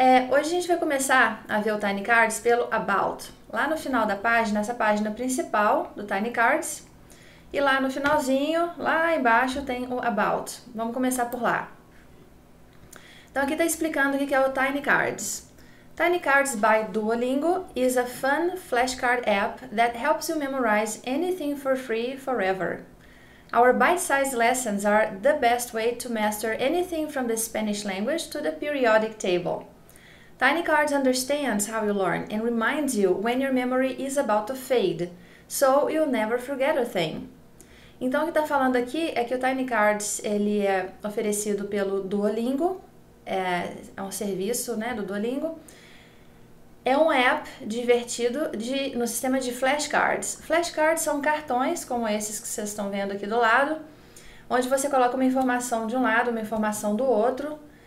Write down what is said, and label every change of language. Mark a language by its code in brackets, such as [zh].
[pt] Hoje a gente vai começar a ver o Tiny Cards pelo About. Lá no final da página, essa página principal do Tiny Cards. E lá no finalzinho, lá embaixo, tem o About. Vamos começar por lá. Então, aqui está explicando o que é o Tiny Cards. [en] Tiny Cards by Duolingo is a fun flashcard app that helps you memorize anything for free forever. Our bite-sized lessons are the best way to master anything from the Spanish language to the periodic table. Tiny Cards understands how you learn and reminds you when your memory is about to fade, so you'll never forget a thing. [pt] Então, o que está falando aqui é que o Tiny Cards ele é oferecido pelo Duolingo, é um serviço, né, do Duolingo. É um app divertido no sistema de flashcards. Flashcards são cartões como esses que vocês estão vendo aqui do lado, onde você coloca uma informação de um lado, uma informação do outro.